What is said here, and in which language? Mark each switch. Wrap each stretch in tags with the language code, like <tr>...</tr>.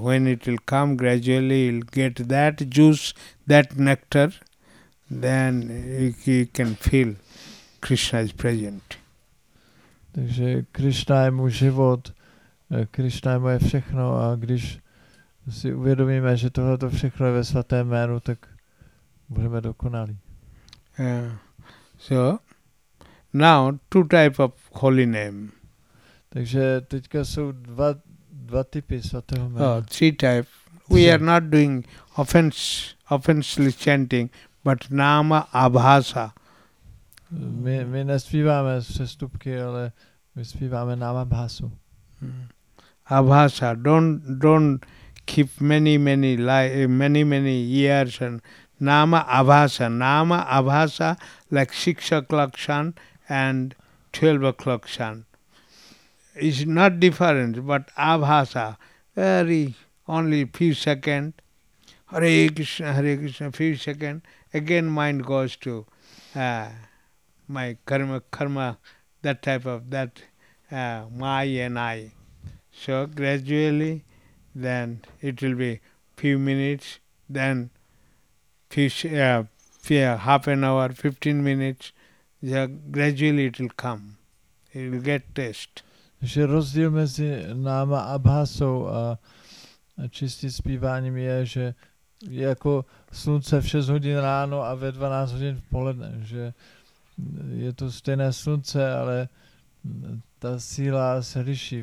<en>When it will come gradually, you'll get that juice, that nectar, then you can feel Krishna is present.</en> <cs>Takže Krishna je můj život, Krishna je moje všechno a když si uvědomíme, že tohle to všechno je ve svatém jménu, tak budeme dokonalí.</cs> <en>So, now two type of holy name.</en> <cs>Takže teďka jsou dva typy svatého jména.</cs> <en>Three type. We are not doing offensively chanting, but nama abhasa.</en> <cs>My nespíváme přestupky, ale my zpíváme nama abhasu.</cs> <en>Abhasa. Don't keep many years and Nama Abhasa, like 6 o'clock sun and 12 o'clock sun. It's not different, but Abhasa, very, only few seconds, Hare Krishna, few seconds, again mind goes to my karma, that type of that, my and I. So gradually, then it will be few minutes, then half an hour, 15 minutes, gradually it will come. It will get taste.</en> <cs>Že rozdíl mezi náma abhasou a čistým zpíváním je, že je jako slunce v 6 hodin ráno a ve 12 hodin v poledne. Že je to stejné slunce, ale ta síla se liší.</cs>